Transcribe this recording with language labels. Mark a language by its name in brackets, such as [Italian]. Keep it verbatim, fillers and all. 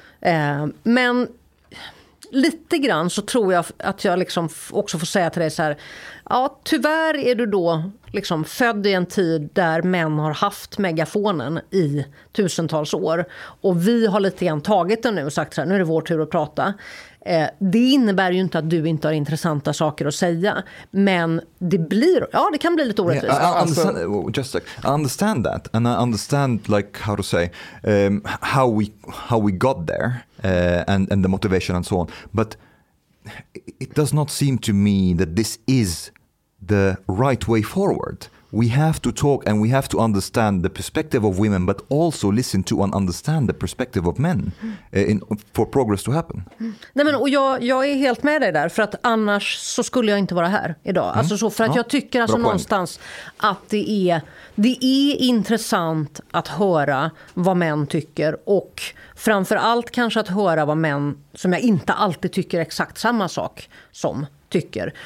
[Swedish] Eh, men lite grann så tror jag att jag liksom också får säga till dig så här, ja, tyvärr är du då liksom född i en tid där män har haft megafonen i tusentals år, och vi har lite grann tagit den nu och sagt så här, nu är det vår tur att prata. Eh, det innebär ju inte att du inte har intressanta saker att säga, men det blir, ja, det kan bli lite orättvist. [English] Yeah, I understand, just like, I understand that, and I understand like how to say um, how we how we got there uh, and and the motivation and so on, but it does not seem to me that this is the right way forward. We have to talk and we have to understand the perspective of women, but also listen to and understand the perspective of men uh, in, for progress to happen. Mm. [Swedish] Nej, men, och jag, jag är helt med dig där, för att annars så skulle jag inte vara här idag. Mm. Alltså så, för att ja. jag tycker alltså någonstans att det är, det är intressant att höra vad män tycker, och framförallt kanske att höra vad män som jag inte alltid tycker exakt samma sak som tycker.